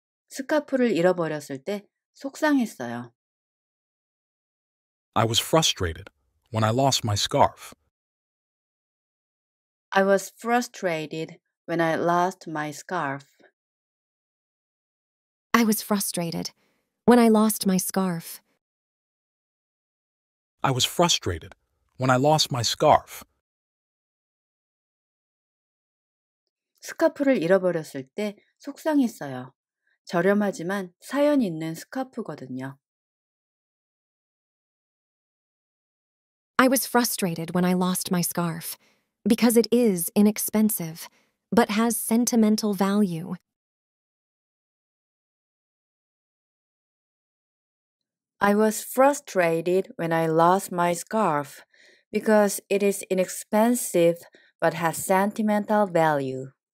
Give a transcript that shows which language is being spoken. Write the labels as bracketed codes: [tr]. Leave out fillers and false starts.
[ko] 스카프를 잃어버렸을 때 속상했어요. [en] I was frustrated when I lost my scarf. I was frustrated when I lost my scarf. I was frustrated when I lost my scarf. I was frustrated when I lost my scarf. [ko] 스카프를 잃어버렸을 때 속상했어요. 저렴하지만 사연 있는 스카프거든요. [en] I was frustrated when I lost my scarf because it is inexpensive but has sentimental value. I was frustrated when I lost my scarf because it is inexpensive but has sentimental value.